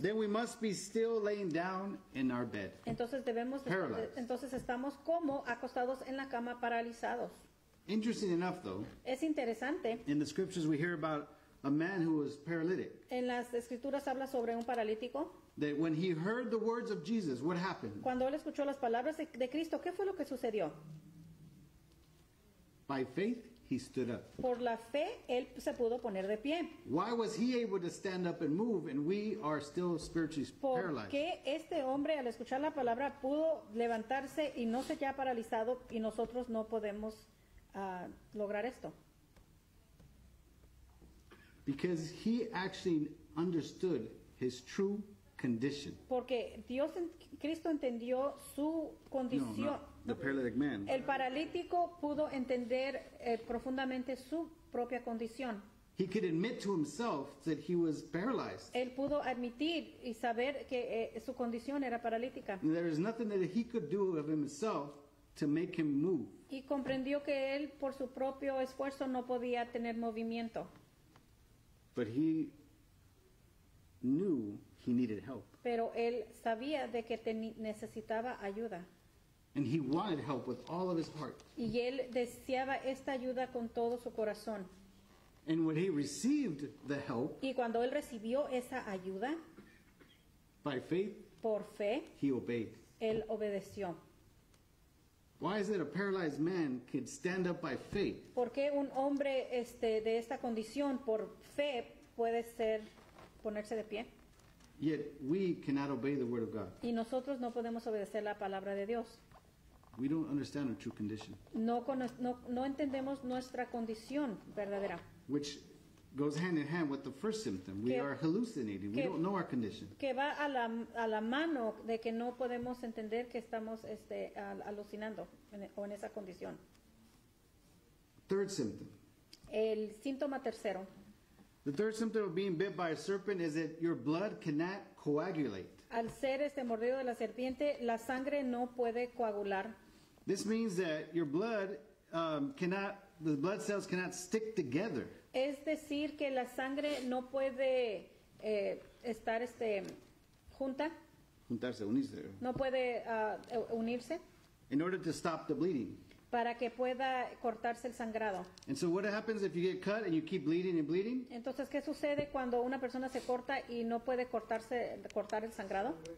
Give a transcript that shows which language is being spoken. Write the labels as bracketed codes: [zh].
[en] then we must be still laying down in our bed. [es] Entonces debemos [en] paralyzed. [es] Entonces estamos como acostados en la cama paralizados. [en] Interesting enough though, [es] es interesante. [en] In the scriptures we hear about a man who was paralytic. [es] En las escrituras habla sobre un paralítico. [en] That when he heard the words of Jesus, what happened? [es] Cuando él escuchó las palabras de Cristo, ¿qué fue lo que sucedió? [en] By faith he stood up. [es] Por la fe él se pudo poner de pie. [en] Why was he able to stand up and move and we are still spiritually paralyzed? [es] Porque este hombre al escuchar la palabra pudo levantarse y no se queda paralizado y nosotros no podemos lograr esto. [en] Because he actually understood his true condition. [es] Porque Dios en Cristo entendió su condición. [en] The paralytic man. [es] El paralítico pudo entender profundamente su propia condición. [en] He could admit to himself that he was paralyzed. [es] Él pudo admitir y saber que su condición era paralítica. [en] And there is nothing that he could do of himself to make him move. [es] Y comprendió que él por su propio esfuerzo no podía tener movimiento. [en] But he knew he needed help. [es] Pero él sabía de que necesitaba ayuda. [en] And he wanted help with all of his heart. [es] Y él deseaba esta ayuda con todo su corazón. [en] And when he received the help, [es] y cuando él recibió esa ayuda, [en] by faith, [es] por fe, [en] he obeyed. [es] Él obedeció. [en] Why is it a paralyzed man could stand up by faith? [es] ¿Por qué un hombre de esta condición por fe puede ser ponerse de pie? [en] Yet we cannot obey the word of God. [es] Y nosotros no podemos obedecer la palabra de Dios. [en] We don't understand our true condition. [es] No entendemos nuestra condición verdadera. [en] Which goes hand in hand with the first symptom. We are hallucinating. We don't know our condition. [es] Que va a la mano de que no podemos entender que estamos alucinando o en esa condición. [en] Third symptom. [es] El síntoma tercero. [en] The third symptom of being bit by a serpent is that your blood cannot coagulate. [es] Al ser mordido de la serpiente, la sangre no puede coagular. [en] This means that your blood the blood cells cannot stick together. [es] Es decir, que la sangre no puede estar junta. Juntarse, unirse. No puede unirse. [en] In order to stop the bleeding. [es] Para que pueda cortarse el sangrado. [en] And so what happens if you get cut and you keep bleeding and bleeding? [es] Entonces, ¿qué sucede cuando una persona se corta y no puede cortar el sangrado?